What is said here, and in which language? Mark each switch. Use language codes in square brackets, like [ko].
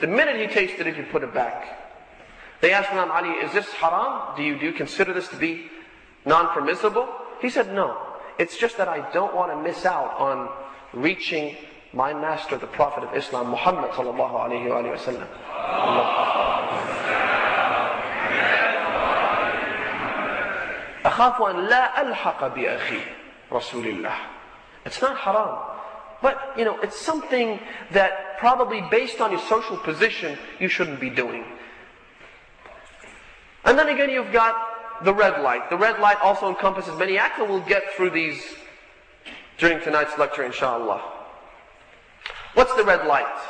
[en] The minute he tasted it, he put it back. They asked Imam Ali, is this haram? Do you consider this to be non-permissible? He said, no. It's just that I don't want to miss out on reaching my master, the Prophet of Islam, Muhammad sallallahu alayhi wa sallam. [ar] أخاف أن لا ألحق بأخي رسول الله. [en] It's not haram. But, you know, it's something that probably based on your social position, you shouldn't be doing. And then again, you've got the red light. The red light also encompasses many acts, and we'll get through these during tonight's lecture, inshallah. What's the red light?